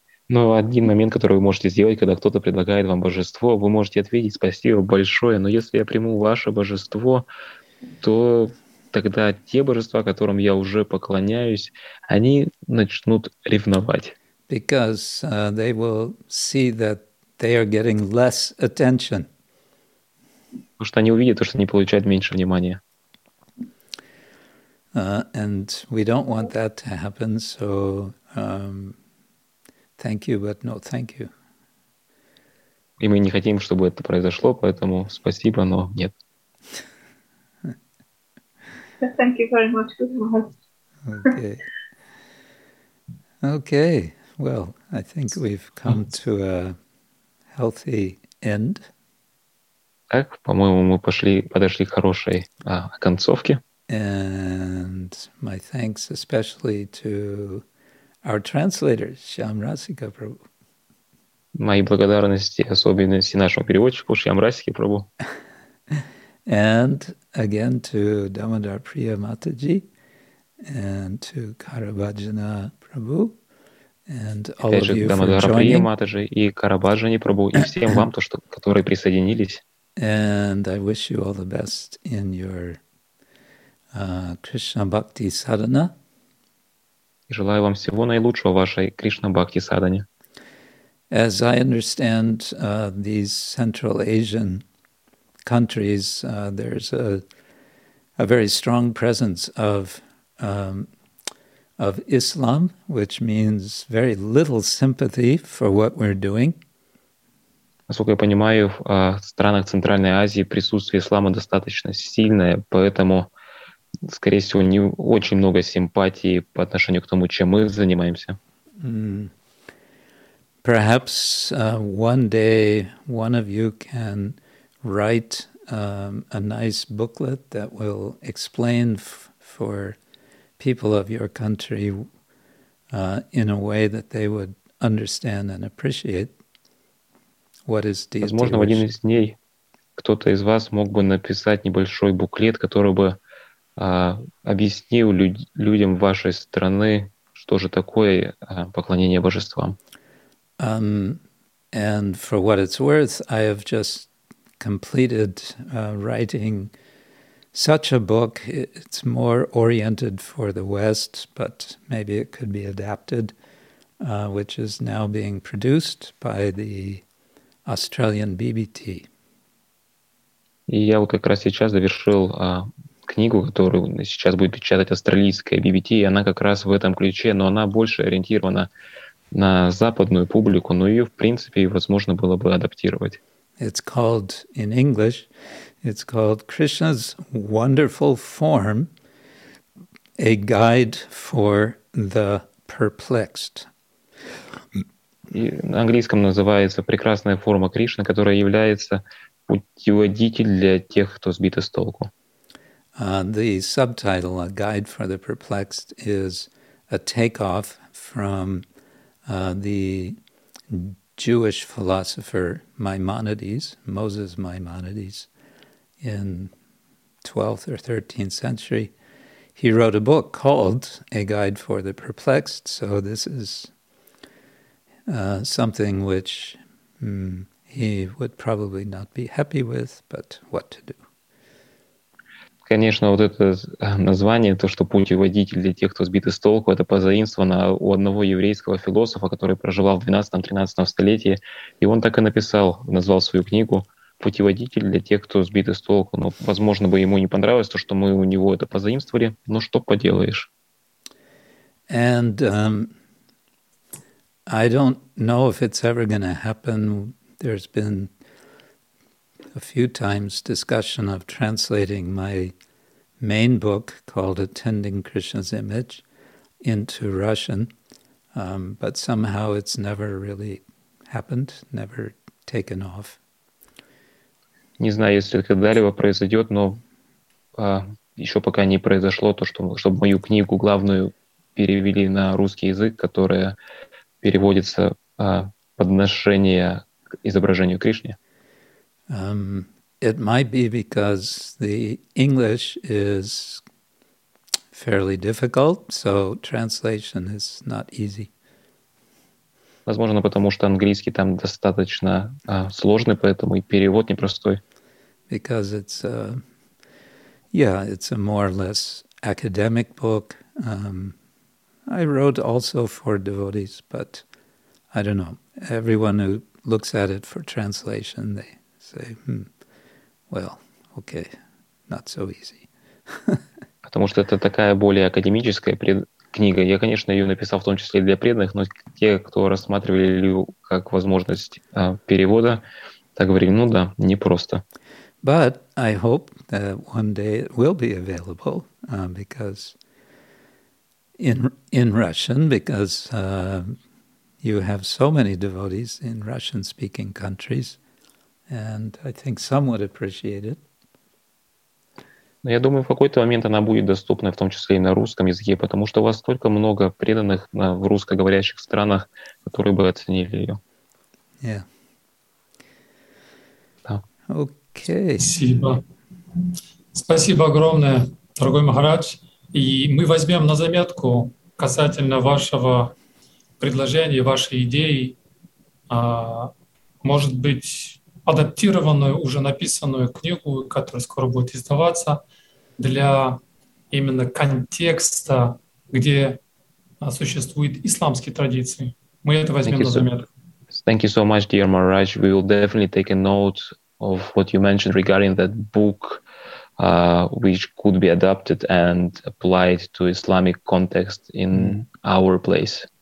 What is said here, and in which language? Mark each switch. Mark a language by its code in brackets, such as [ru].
[ru] Но один момент, который вы можете сделать, когда кто-то предлагает вам божество, вы можете ответить: спасибо большое, но если я приму ваше божество, то тогда те божества, которым я уже поклоняюсь, они начнут ревновать. [en] Because they will see that they are getting less attention. [ru] Потому что они увидят то, что они получают меньше внимания. [en] And we don't want that to happen, so thank you, but no thank you. [ru] И мы не хотим, чтобы это произошло, поэтому спасибо, но нет. [en] Thank you very much. Okay. Okay. Well, I think we've come to a healthy end. [ru] Так, по-моему, мы подошли к хорошей концовке. [en] And my thanks especially to our translator, Shyam Rasika Prabhu. [ru] Мои благодарности особенности нашему переводчику Шьям Расике Прабу. [en] And again to Damodar Priya Mataji and to Karabhajana Prabhu. And all of you for joining. [ru] Мата же и Карабаджани Прабу, и всем вам, которые присоединились. [en] And I wish you all the best in your Krishna Bhakti Sadhana. [ru] И желаю вам всего наилучшего в вашей Кришна Бхакти Садхане. [en] As I understand these Central Asian countries, there's a very strong presence of Islam, which means very little sympathy for what we're doing. [ru] Насколько я понимаю, в странах Центральной Азии присутствие ислама достаточно сильное, поэтому, скорее всего, не очень много симпатии по отношению к тому, чем мы занимаемся. [en] Perhaps one day one of you can write a nice booklet that will explain for people of your country in a way that they would understand and appreciate what is deity. [ru] Возможно, в один из дней кто-то из вас мог бы написать небольшой буклет, который бы объяснил людям вашей страны, что же такое поклонение божествам. [en] And for what it's worth, I have just completed writing such a book. It's more oriented for the West, but maybe it could be adapted, which is now being produced by the Australian BBT. [ru] И я вот как раз сейчас завершил книгу, которую сейчас будет печатать австралийская BBT, и она как раз в этом ключе, но она больше ориентирована на западную публику, но ее, в принципе, возможно было бы адаптировать. [en] It's called, in English, it's called Krishna's Wonderful Form, A Guide for the Perplexed. [ru] И на английском называется «Прекрасная форма Кришны», которая является путеводитель для тех, кто сбит с толку. [en] The subtitle, A Guide for the Perplexed, is a takeoff from the Jewish philosopher Maimonides, Moses Maimonides, in 12th or 13th century. He wrote a book called A Guide for the Perplexed, so this is something which he would probably not be happy with, but what to do. [ru] Конечно, вот это название, то, что путеводитель для тех, кто сбит с толку, это позаимствовано у одного еврейского философа, который проживал в 12-13 столетии, и он так и написал, назвал свою книгу «Путеводитель для тех, кто сбит с толку». Но, возможно, бы ему не понравилось то, что мы у него это позаимствовали, но что поделаешь. [en] And I don't know if it's ever going to happen. There's been a few times discussion of translating my main book called Attending Krishna's Image into Russian, but somehow it's never really happened, never taken off. [ru] Не знаю, если когда-либо произойдет, но еще пока не произошло то, чтобы мою книгу главную перевели на русский язык, которая переводится подношение к изображению Кришне. [en] It might be because the English is fairly difficult, so translation is not easy. [ru] Возможно, потому что английский там достаточно сложный, поэтому и перевод непростой. [en] Because it's it's a more or less academic book. I wrote also for devotees, but I don't know. Everyone who looks at it for translation, they say, well, okay, not so easy. [ru] Потому что это такая более академическая книга. Я, конечно, ее написал в том числе для преданных, но те, кто рассматривали ее как возможность перевода, так говорили, ну да, непросто. [en] But I hope that one day it will be available because in Russian, because you have so many devotees in Russian-speaking countries, and I think some would appreciate it. [ru] Но я думаю, в какой-то момент она будет доступна, в том числе и на русском языке, потому что у вас столько много преданных в русскоговорящих странах, которые бы оценили ее. [en] Yeah. [ru] Да. Okay. Спасибо. Спасибо огромное, дорогой Махарадж. И мы возьмем на заметку касательно вашего предложения, вашей идеи. Может быть, адаптированную, уже написанную книгу, которая скоро будет издаваться, для именно контекста, где существуют исламские традиции. Мы это возьмем на заметку. [en] Thank you so much, dear Maharaj. We will definitely take a note of what you mentioned regarding that book, which could be adapted and applied to Islamic context in our place.